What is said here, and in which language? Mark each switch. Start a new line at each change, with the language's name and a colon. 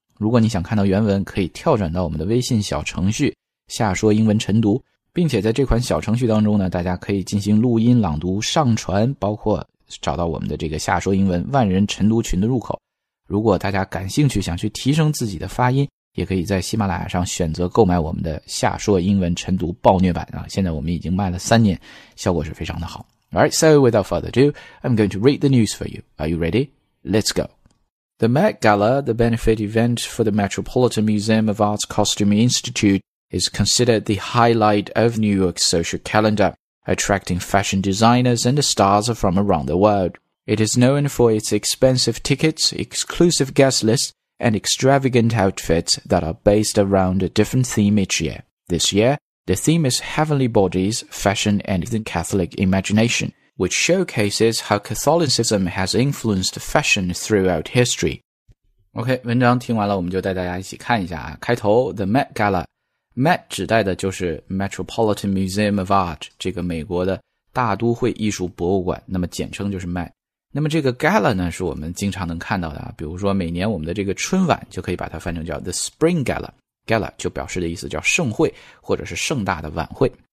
Chinese: 如果你想看到原文，可以跳转到我们的微信小程序“夏说英文晨读”，并且在这款小程序当中呢，大家可以进行录音、朗读、上传，包括找到我们的这个“夏说英文”万人晨读群的入口。如果大家感兴趣，想去提升自己的发音，也可以在喜马拉雅上选择购买我们的夏说英文晨读暴虐版啊！现在我们已经卖了三年，效果是非常的好。
English: Alright, so without further ado, I'm going to read the news for you. Are you ready? Let's go. The Met Gala, the benefit event for the Metropolitan Museum of Art's Costume Institute, is considered the highlight of New York's social calendar, attracting fashion designers and stars from around the world. It is known for its expensive tickets, exclusive guest lists, and extravagant outfits that are based around a different theme each year. This year, the theme is Heavenly Bodies, Fashion, and the Catholic Imagination, which showcases how Catholicism has influenced fashion throughout history.
Chinese: OK, 文章听完了，我们就带大家一起看一下啊。开头 ,
English: The Met Gala.
Chinese: Met 指代的就是 Metropolitan Museum of Art, 这个美国的大都会艺术博物馆，那么简称就是 Met。那么这个 gala 呢，是我们经常能看到的啊，比如说每年我们的这个春晚就可以把它翻成叫 the spring gala， gala 就表示的意思叫盛会或者是盛大的晚会。